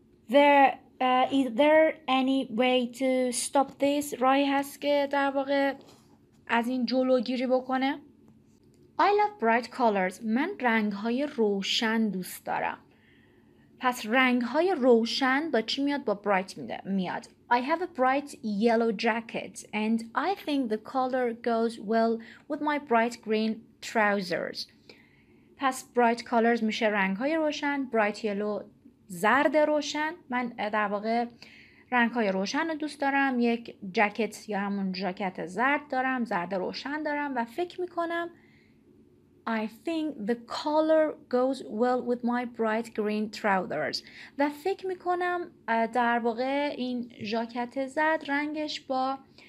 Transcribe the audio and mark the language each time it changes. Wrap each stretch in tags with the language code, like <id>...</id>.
<en>Is there any way to stop this?</en> <fa>راهی هست که در واقع از این جلوگیری بکنه؟</fa> <en>I love bright colors.</en> <fa>من رنگ‌های روشن دوست دارم. پس رنگ‌های روشن با چی میاد؟ با bright میاد.</fa> <en>I have a bright yellow jacket and I think the color goes well with my bright green trousers.</en> <fa>پس bright colors میشه رنگ‌های روشن، bright yellow زرد روشن. من در واقع رنگ های روشن رو دوست دارم، یک جکت یا همون جاکت زرد دارم، زرد روشن دارم و فکر میکنم</fa> <en>I think the color goes well with my bright green trousers</en> <fa>و فکر میکنم در واقع این جاکت زرد رنگش با</fa>